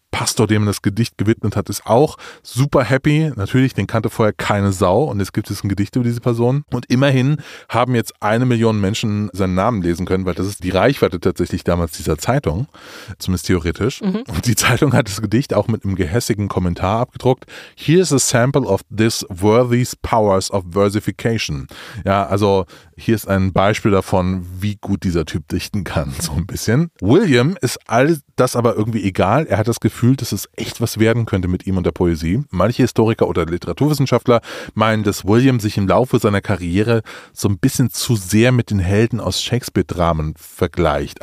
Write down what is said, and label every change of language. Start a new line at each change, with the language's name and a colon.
German: Pastor, dem er das Gedicht gewidmet hat, ist auch super happy. Natürlich, den kannte vorher keine Sau und jetzt gibt es ein Gedicht über diese Person. Und immerhin haben jetzt 1 Million Menschen seinen Namen lesen können, weil das ist die Reichweite tatsächlich damals dieser Zeitung, zumindest theoretisch. Mhm. Und die Zeitung hat das Gedicht auch mit einem gehässigen Kommentar abgedruckt.
English: Here's a sample of this worthy's powers of versification.
German: Ja, also hier ist ein Beispiel davon, wie gut dieser Typ dichten kann, so ein bisschen. William ist all das aber irgendwie egal. Er hat das Gefühl, dass es echt was werden könnte mit ihm und der Poesie. Manche Historiker oder Literaturwissenschaftler meinen, dass William sich im Laufe seiner Karriere so ein bisschen zu sehr mit den Helden aus Shakespeare-Dramen vergleicht.